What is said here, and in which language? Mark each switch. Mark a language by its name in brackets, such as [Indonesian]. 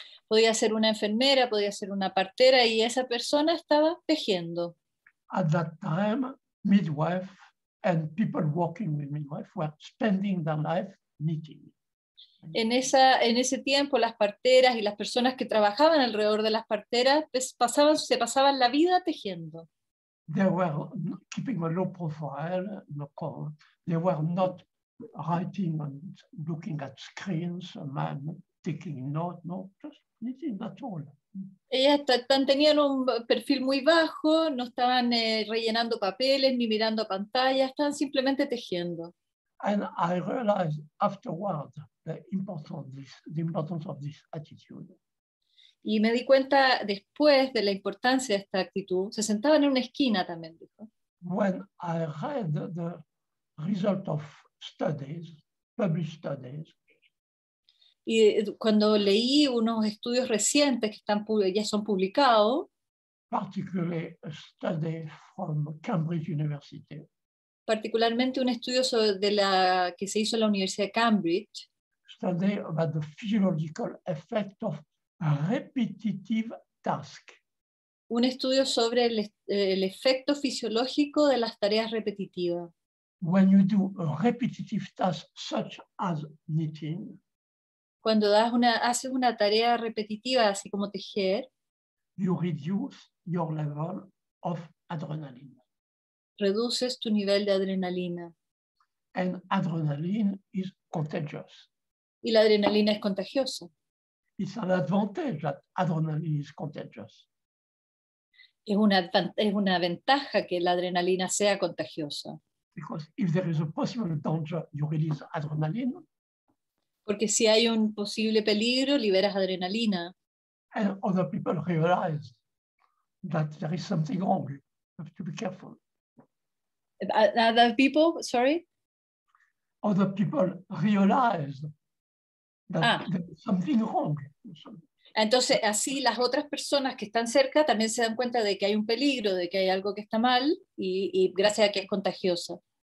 [Spanish] Podía ser una enfermera, podía ser una partera, y esa persona estaba tejiendo. [English] At that time, midwife and people working with midwife were spending their life knitting. [Spanish] En ese tiempo, las parteras y las personas que trabajaban alrededor de las parteras se pasaban la vida tejiendo. [English] They were keeping a low profile, no call. They were not writing and looking at screens, taking notes, no, just knitting, that's all. [Spanish] Ellas tenían un perfil muy bajo, no estaban rellenando papeles ni mirando pantallas, estaban simplemente tejiendo. [English] And I realized afterward the importance of this attitude. [Spanish] Y me di cuenta después de la importancia de esta actitud. Se sentaban en una esquina también, dijo. [English] When I read the result of studies, published studies, [Spanish] y cuando leí unos estudios recientes que están ya son publicados, [English] particularly a study from Cambridge University, [Spanish] particularmente un estudio que se hizo en la Universidad de Cambridge, [English] study about the physiological effect of repetitive task, [Spanish] un estudio sobre el efecto fisiológico de las tareas repetitivas. [English] When you do a repetitive task such as knitting, [Spanish] cuando haces una tarea repetitiva, así como tejer, [English] you reduce your level of adrenaline. [Spanish] Reduces tu nivel de adrenalina. [English] And adrenaline is contagious. [Spanish] Y la adrenalina es contagiosa. [English] It's an advantage that adrenaline is contagious. [Spanish] Es una ventaja que la adrenalina sea contagiosa. [English] Because if there is a possible danger, you release adrenaline. [Spanish] Porque si hay un posible peligro, liberas adrenalina. [English] And other people realize that there is something wrong. You have to be careful. Other people, sorry? Other people realize that there is something wrong. [Spanish] Entonces, así las otras personas que están cerca también se dan cuenta de que hay un peligro, de que hay algo que está mal, y gracias a que es contagioso.